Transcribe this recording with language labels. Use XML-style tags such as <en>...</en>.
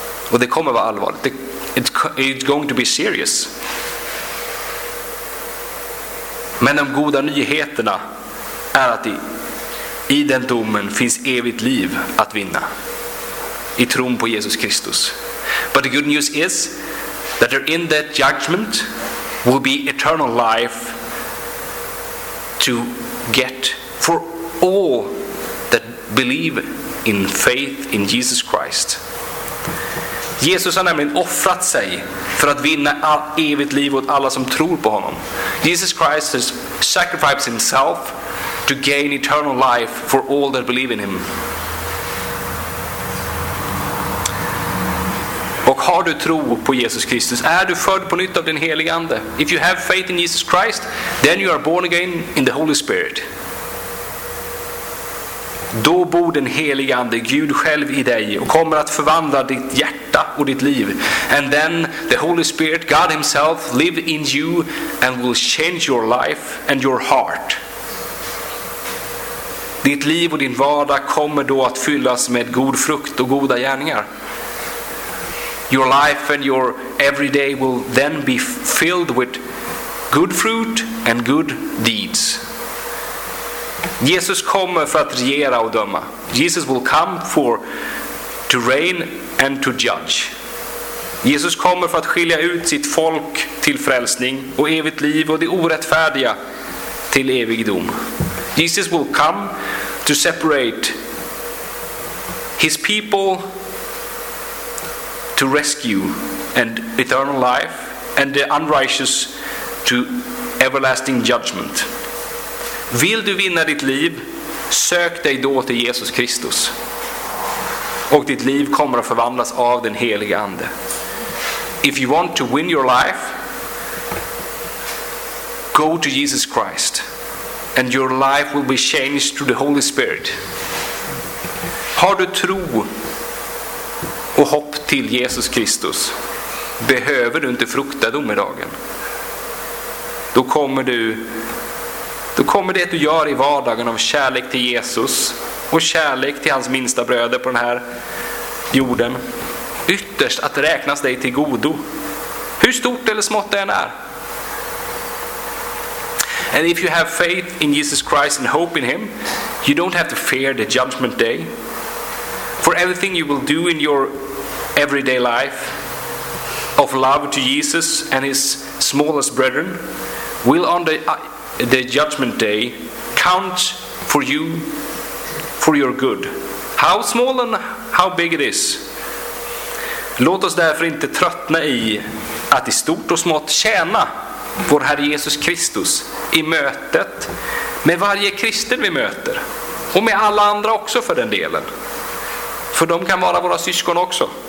<sv>Och det kommer vara allvarligt.</sv> <en>It's going to be serious.</en> <sv>Men de goda nyheterna är att i den domen finns evigt liv att vinna. I tron på Jesus Kristus.</sv> <en>But the good news is that in that judgment will be eternal life to get for all that believe in faith in Jesus Christ.</en> <sv>Jesus har nämligen offrat sig för att vinna allt evigt liv åt alla som tror på honom.</sv> <en>Jesus Christ has sacrificed himself to gain eternal life for all that believe in him.</en> <sv>Och har du tro på Jesus Kristus? Är du född på nytt av den helige ande?</sv> <en>If you have faith in Jesus Christ, then you are born again in the Holy Spirit.</en> <sv>Då bor den helige ande, Gud själv i dig och kommer att förvandla ditt hjärta och ditt liv.</sv> <en>And then the Holy Spirit, God himself, live in you and will change your life and your heart.</en> <sv>Ditt liv och din vardag kommer då att fyllas med god frukt och goda gärningar.</sv> <en>Your life and your everyday will then be filled with good fruit and good deeds.</en> <sv>Jesus kommer för att regera och döma.</sv> <en>Jesus will come for to reign and to judge.</en> <sv>Jesus kommer för att skilja ut sitt folk till frälsning och evigt liv och det orättfärdiga till evigdom.</sv> <en>Jesus will come to separate his people to rescue and eternal life and the unrighteous to everlasting judgment.</en> <sv>Vill du vinna ditt liv, sök dig då till Jesus Kristus. Och ditt liv kommer att förvandlas av den helige ande.</sv> <en>If you want to win your life, go to Jesus Christ. And your life will be changed through the Holy Spirit.</en> <sv>Har du tro och hopp till Jesus Kristus, behöver du inte frukta domedagen. Då kommer det du gör i vardagen av kärlek till Jesus och kärlek till hans minsta bröder på den här jorden ytterst att räknas dig till godo. Hur stort eller smått det än är.</sv> <en>And if you have faith in Jesus Christ and hope in him, you don't have to fear the judgment day. For everything you will do in your everyday life of love to Jesus and his smallest brethren will on the judgment day count for you for your good. How small and how big it is.</en> <sv>Låt oss därför inte tröttna i att i stort och smått tjäna vår Herre Jesus Kristus i mötet med varje kristen vi möter och med alla andra också för den delen. För de kan vara våra syskon också.</sv>